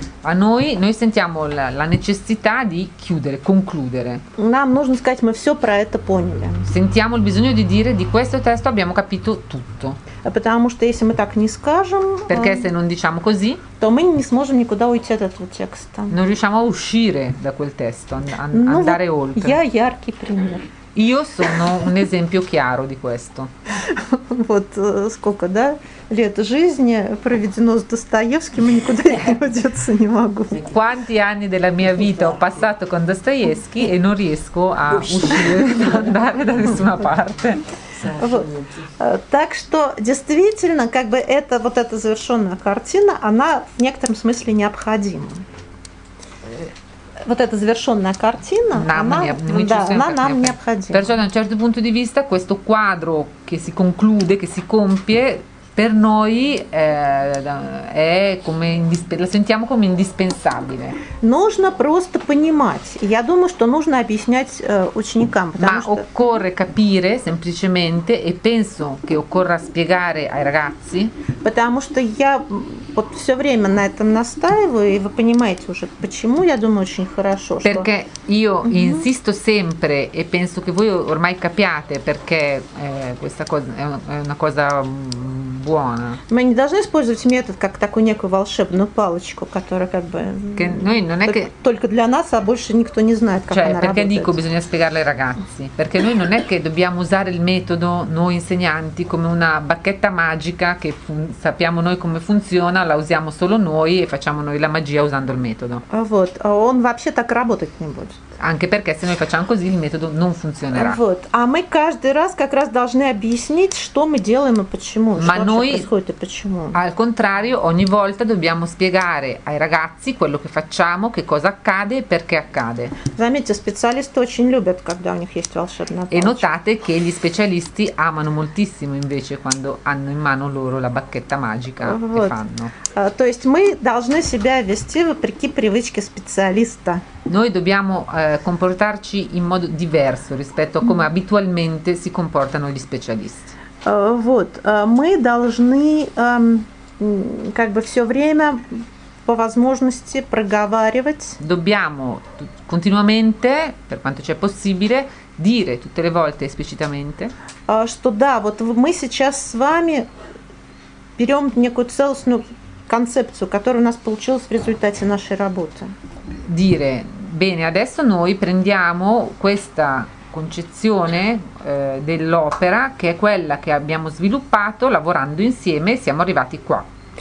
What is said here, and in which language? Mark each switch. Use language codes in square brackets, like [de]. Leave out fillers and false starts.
[it] A noi sentiamo la necessità di chiudere, concludere. [ru] Нам нужно сказать, мы все про это поняли. [it] Sentiamo il bisogno di dire di questo testo abbiamo capito tutto. [ru] Потому что если мы так не скажем, [it] perché se non diciamo così, [ru] то мы не сможем никуда уйти от этого текста. [it] Non riusciamo a uscire da quel testo, andare oltre. [ru] Я яркий пример. [it] Io sono un esempio chiaro di questo. [ru] Вот сколько, да, лет жизни проведено с Достоевским, и никуда не деться не могу. [it] Quanti anni della mia vita ho passato con Dostoevsky e non riesco a uscire, andare da nessuna parte. [ru] Так что действительно, как бы это вот эта завершенная картина, она в некотором смысле необходима. Вот эта завершенная картина, нам необходима. [it] Perciò da un certo punto di vista questo quadro che si conclude, che si compie, per noi è come la sentiamo come indispensabile. [ru] Нужно просто понимать. Я думаю, что нужно объяснять ученикам, потому что [it] occorre capire semplicemente e penso che occorra spiegare ai ragazzi. [ru] Потому что я вот все время на этом настаиваю, и вы понимаете уже, почему, я думаю, очень хорошо. [it] Perché io insisto sempre e penso che voi ormai capiate perché questa cosa è una cosa buona. [ru] Мы не должны использовать метод как такую некую волшебную палочку, которая как бы только для нас, а больше никто не знает, как она работает. [it] Perché dico bisogna spiegarlo ai ragazzi, perché noi non è che dobbiamo usare il metodo noi insegnanti come una bacchetta magica che sappiamo noi come funziona, la usiamo solo noi e facciamo noi la magia usando il metodo. [ru] Вот, он вообще так работать не будет. [it] Anche perché se noi facciamo così il metodo non funzionerà. [ru] Вот. А мы каждый раз как раз должны объяснить, что мы делаем и почему. [it] Ma [ru] что [it] noi, [ru] происходит и почему. [it] Al contrario, ogni volta dobbiamo spiegare ai ragazzi quello che facciamo, che cosa accade e perché accade. [ru] Заметьте, специалисты очень любят, когда у них есть волшебная палочка. [it] E notate che gli specialisti amano moltissimo invece quando hanno in mano loro la bacchetta magica [ru] вот. [it] E fanno. [ru] То есть мы должны себя вести вопреки привычке специалиста. [it] Noi dobbiamo comportarci in modo diverso rispetto a come abitualmente si comportano gli specialisti. [ru] Вот, мы должны как бы все время по возможности проговаривать. [it] Dobbiamo continuamente, per quanto ci è possibile, dire tutte le volte esplicitamente. [ru] Что да, вот мы сейчас с вами берем некую целостную концепцию, которая у нас получилась в результате нашей работы. [it] Dire bene, adesso noi prendiamo questa concezione dell'opera, che è quella che abbiamo sviluppato lavorando insieme, siamo arrivati qua.